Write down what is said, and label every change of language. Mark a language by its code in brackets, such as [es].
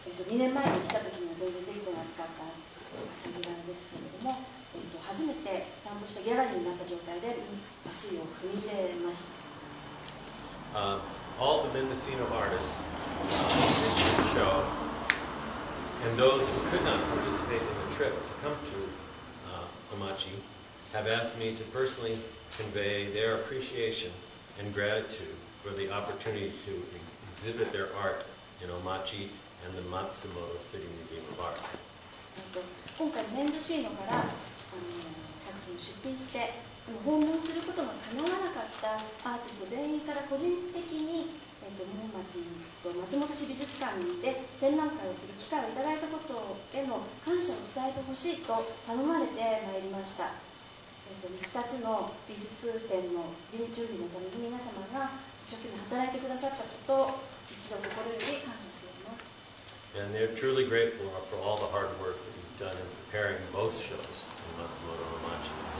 [ja] 2年前に来た時には全然できてなかった Asagura ですけれども、初めてちゃんとしたギャラリーになった状態で足を踏み入れました。 [en] All the Mendocino artists in the show and those who could not participate in the trip to come to Omachi have asked me to personally convey their appreciation and gratitude for the opportunity to exhibit their art in Omachi and the Matsumoto City Museum of Art. [ja] 今回メンドシーノから作品を出品して訪問することがかなわなかったアーティスト全員から個人的に門町と松本市美術館にいて展覧会をする機会をいただいたことへの感謝を伝えてほしいと頼まれてまいりました。 2つの美術展の臨時準備のために皆様が一生懸命働いてくださったことを一度心より感謝しております。 [en] And they're truly grateful for all the hard work that you've done in preparing both shows in Matsumoto and Machi.